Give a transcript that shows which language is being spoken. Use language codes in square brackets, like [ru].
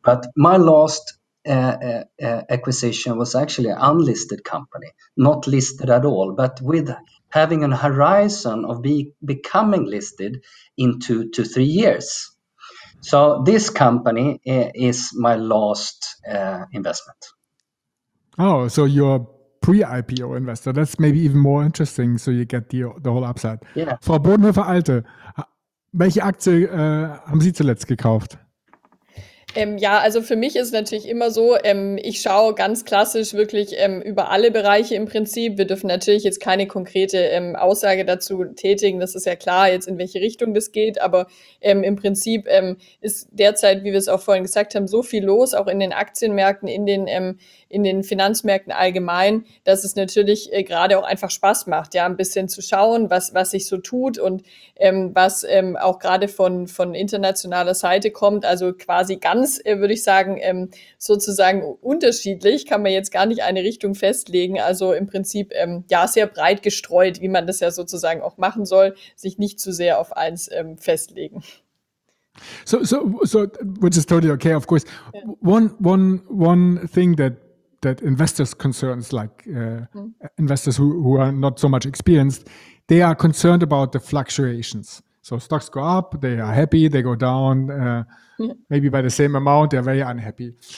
[en] But my last acquisition was actually an unlisted company, not listed at all, but with having an horizon of becoming listed in 2 to 3 years. So this company is my last investment. Oh, so you're a pre-IPO investor. That's maybe even more interesting. So you get the whole upside. Yeah. [de] Frau Bodenhöfer Alte, welche Aktie haben Sie zuletzt gekauft? Ja, also für mich ist natürlich immer so, ich schaue ganz klassisch wirklich über alle Bereiche im Prinzip. Wir dürfen natürlich jetzt keine konkrete Aussage dazu tätigen. Das ist ja klar jetzt, in welche Richtung das geht. Aber im Prinzip ist derzeit, wie wir es auch vorhin gesagt haben, so viel los, auch in den Aktienmärkten, in den Finanzmärkten allgemein, dass es natürlich gerade auch einfach Spaß macht, ja, ein bisschen zu schauen, was sich so tut und was auch gerade von internationaler Seite kommt. Also quasi ganz, würde ich sagen, sozusagen unterschiedlich, kann man jetzt gar nicht eine Richtung festlegen. Also im Prinzip, ja, sehr breit gestreut, wie man das ja sozusagen auch machen soll, sich nicht zu sehr auf eins festlegen. [en] So, which is totally okay, of course. One thing that investors concerns, like investors who are not so much experienced, they are concerned about the fluctuations. So stocks go up, they are happy, they go down, maybe by the same amount, they're very unhappy.